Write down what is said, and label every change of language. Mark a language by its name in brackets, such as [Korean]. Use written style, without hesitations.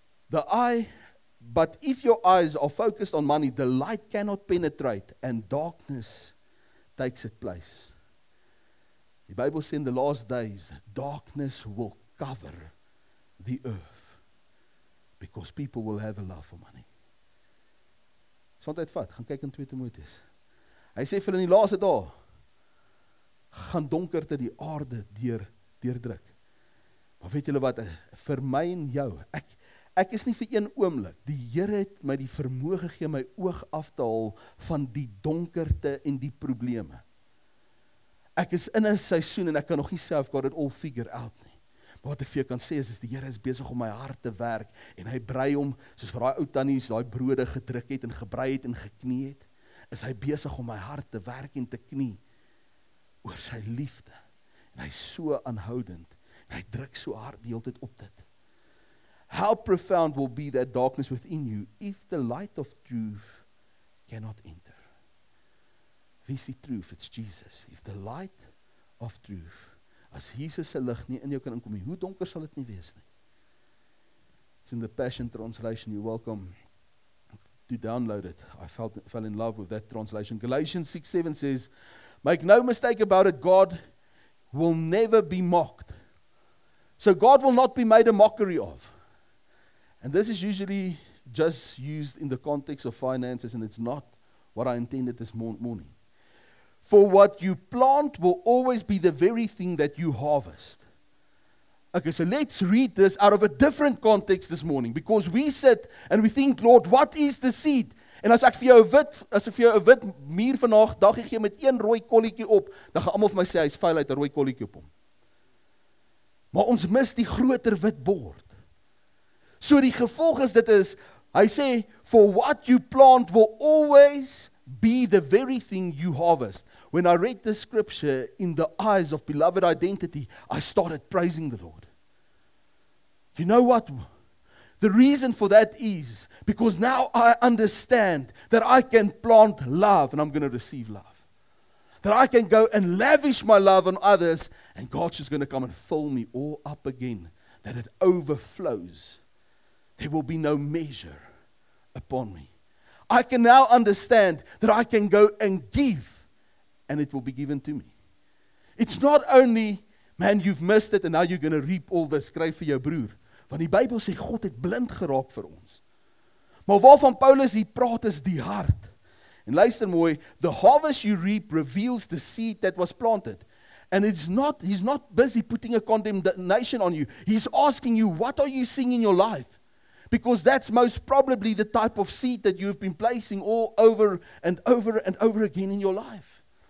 [English] The eye, but if your eyes are focused on money, the light cannot penetrate and darkness takes its place. The Bible says in the last days, darkness will cover the earth because people will have a love for money. [Afrikaans] Sond uitvat, gaan kyk in 2 Timoteus. Hy sê vir hulle in die laaste dae gaan donkerte die aarde deurdruk. Maar weet julle wat, vir my en jou, ek is nie vir een oomblik, die Here het my die vermoë gegee my oog af te haal van die donkerte en die probleme. Ek is in 'n seisoen en ek kan nog nie self [English] got it all figure out [Afrikaans] nie. Wat ek vir jou kan sê is, die Here is besig om my hart te werk, en hy brei om, soos vir daai ou tannies, daai brode gedruk het, en gebrei het, en geknie het, is hy besig om my hart te werk en te knie, oor sy liefde, en hy is so aanhoudend, en hy druk so hard die hele tijd op dit. [English] How profound will be that darkness within you, if the light of truth cannot enter. [Afrikaans] Wie is die truth? [English] It's Jesus. If the light of truth, [Afrikaans] as Jesus se lig nie in jou kan inkom nie, hoe donker sal dit nie wees nie? [English] It's in the Passion Translation, you're welcome to download it. I fell in love with that translation. Galatians 6:7 says, make no mistake about it, God will never be mocked. So God will not be made a mockery of. And this is usually just used in the context of finances, and it's not what I intended this morning. For what you plant will always be the very thing that you harvest. Okay, so let's read this out of a different context this morning. Because we sit and we think, Lord, what is the seed? [Afrikaans] En as ek vir jou wit muur vandag dag gee met een rooi kolletjie op, dan gaan almal vir my sê, hy is vuil uit 'n rooi kolletjie op hom. Maar ons mis die groter wit bord. So die gevolg is dit is, hy sê, [English] for what you plant will always be the very thing you harvest. When I read this scripture in the eyes of beloved identity, I started praising the Lord. You know what? The reason for that is because now I understand that I can plant love and I'm going to receive love. That I can go and lavish my love on others and God's just going to come and fill me all up again. That it overflows. There will be no measure upon me. I can now understand that I can go and give and it will be given to me. It's not only, man, you've missed it and now you're going to reap all this. [Afrikaans] Skryf vir jou broer. Want die Bybel sê, God het blind geraak vir ons. Maar waarvan Paulus hier praat is die hart. En luister mooi, [English] the harvest you reap reveals the seed that was planted. And it's not, he's not busy putting a condemnation on you. He's asking you, what are you seeing in your life? Because that's most probably the type of seed that you've been placing all over and over and over again in your life.